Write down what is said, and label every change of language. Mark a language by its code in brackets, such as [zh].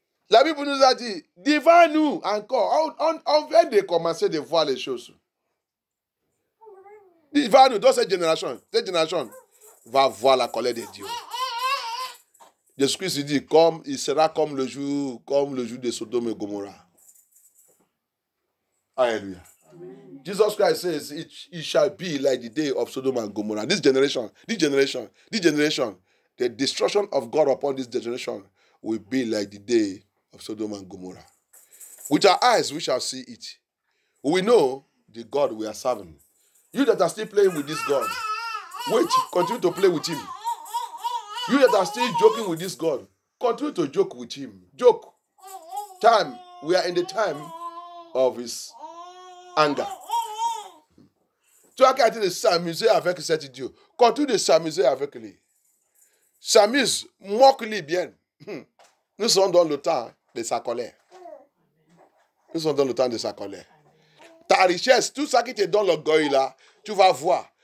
[fr] La Bible nous a dit, devant nous encore, on vient de commencer de voir les choses. Devant nous, dans cette génération va voir la colère de Dieu. Jésus Christ dit, il sera comme le jour de Sodome et Gomorrah. Alléluia. Amen. [en] Jesus Christ says, it shall be like the day of Sodome and Gomorrah. This generation, the destruction of God upon this generation will be like the day of Sodome and Gomorrah. With our eyes, we shall see it. We know the God we are serving. You that are still playing with this God, wait, continue to play with him. You that are still joking with this God, continue to joke with him. Joke. Time. We are in the time of his anger. [fr] Tu as qu'à dire de s'amuser avec cet Dieu. Continue de s'amuser avec lui. S'amuse, moque-lui bien. Nous sommes dans le temps de sa colère. Ta richesse, tout ça qui te donne l'orgueil là, tu vas voir.